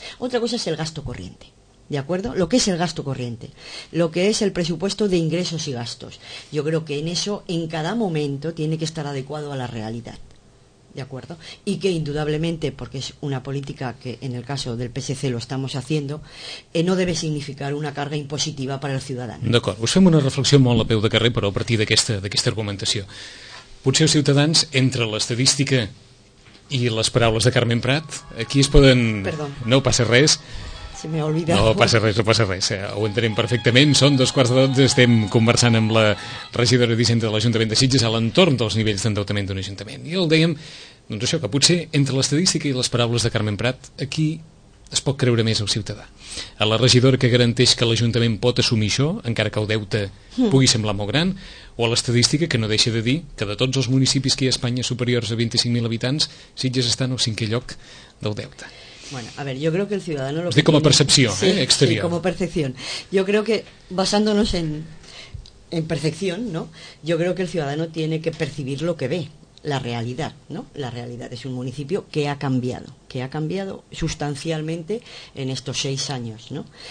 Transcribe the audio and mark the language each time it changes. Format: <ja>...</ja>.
<es>Otra cosa es el gasto corriente, ¿de acuerdo? Lo que es el gasto corriente, lo que es el presupuesto de ingresos y gastos. Yo creo que en eso, en cada momento, tiene que estar adecuado a la realidad, ¿de acuerdo? Y que indudablemente, porque es una política que en el caso del PSC lo estamos haciendo, no debe significar una carga impositiva para el ciudadano.</es> <ca>D'acord, us fem una reflexió molt a peu de carrer, però a partir d'aquesta argumentació. Potser els ciutadans, entre l'estadística i les paraules de Carmen Prat, aquí es poden... Perdó. No passa res. Se m'ha oblidat. No passa res. Ho entenem perfectament. Són 2:15, estem conversant amb la regidora d'Hisenda de l'Ajuntament de Sitges a l'entorn dels nivells d'endeutament d'un ajuntament. I el dèiem, doncs això, que potser entre l'estadística i les paraules de Carmen Prat, aquí es pot creure més al ciutadà. A la regidora que garanteix que l'Ajuntament pot assumir això, encara que el deute pugui semblar molt gran, o a l'estadística que no deixa de dir que de tots els municipis que hi ha a Espanya superiors a 25.000 habitants, Sitges està en el cinquè lloc del deute.</ca> <es>Bueno, a ver, yo creo que el ciudadano... Lo que como tiene... percepción, sí, exterior. Sí, como percepción. Yo creo que, basándonos en percepción, ¿no? Yo creo que el ciudadano tiene que percibir lo que ve, la realidad, ¿no? La realidad es un municipio que ha cambiado sustancialmente en estos 6 años, ¿no?</es>